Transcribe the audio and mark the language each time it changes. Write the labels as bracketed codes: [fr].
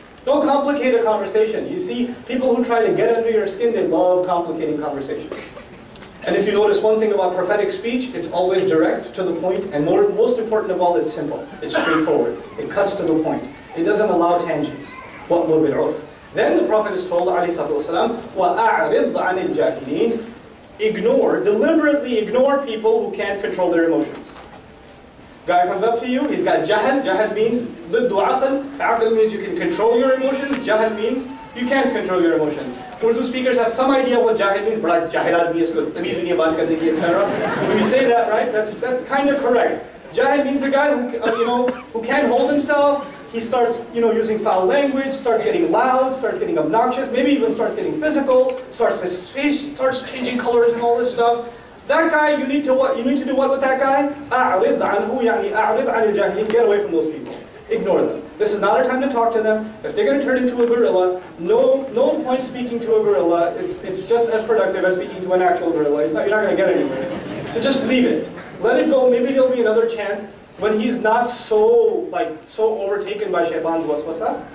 [en] Don't complicate a conversation. You see, people who try to get under your skin, they love complicating conversations. And if you notice one thing about prophetic speech, it's always direct, to the point, and most important of all, it's simple. It's straightforward. It cuts to the point. It doesn't allow tangents. What more will it? Then the Prophet is told, [ar] عليه الصلاة والسلام, وَأَعْرِضْ عَنِ الْجَاهِلِينَ. [en] Ignore, deliberately ignore people who can't control their emotions. Guy comes up to you, he's got jahal. Jahal means liddu aqal. Aqal means you can control your emotions. Jahal means you can't control your emotions. Urdu speakers have some idea what jahal means. [ur] Bada jahil aadmi hai, usko tameez nahi hai baat karne ki, etc. [en] When you say that, right, that's kind of correct. Jahil means a guy who can't hold himself. He starts, you know, using foul language, starts getting loud, starts getting obnoxious, maybe even starts getting physical, starts changing colors and all this stuff. That guy, you need to do what with that guy? [ar] أعرض عنه يعني أعرض عن الجاهلين. [en] Get away from those people. Ignore them. This is not a time to talk to them. If they're going to turn into a gorilla, no point speaking to a gorilla. It's just as productive as speaking to an actual gorilla. You're not going to get anywhere. So just leave it. Let it go. Maybe there'll be another chance when he's not so like so overtaken by Shaitan's waswasa.